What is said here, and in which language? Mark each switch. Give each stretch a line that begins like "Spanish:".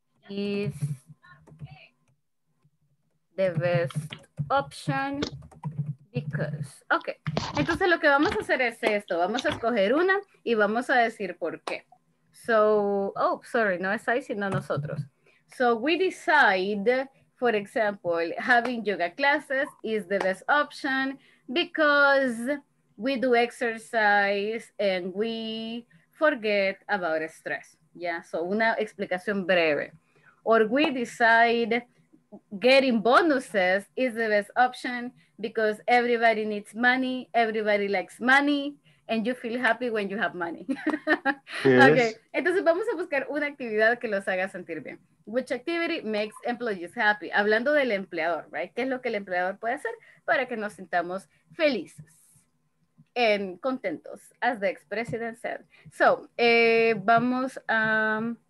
English: is the best option because.
Spanish: Ok, entonces lo que vamos a hacer es esto. Vamos a escoger una y vamos a decir por qué. So, oh, sorry, no es ahí, sino nosotros.
English: So we decide, for example, having yoga classes is the best option because we do exercise and we forget about stress. Yeah, so
Spanish: una explicación breve.
English: Or we decide getting bonuses is the best option because everybody needs money, everybody likes money, and you feel happy when you have money. Yes.
Spanish: Okay, entonces vamos a buscar una actividad que los haga sentir bien.
English: Which activity makes employees happy?
Spanish: Hablando del empleador,
English: right?
Spanish: ¿Qué es lo que el empleador puede hacer para que nos sintamos felices and contentos?
English: As the ex-president said. So,
Spanish: vamos a...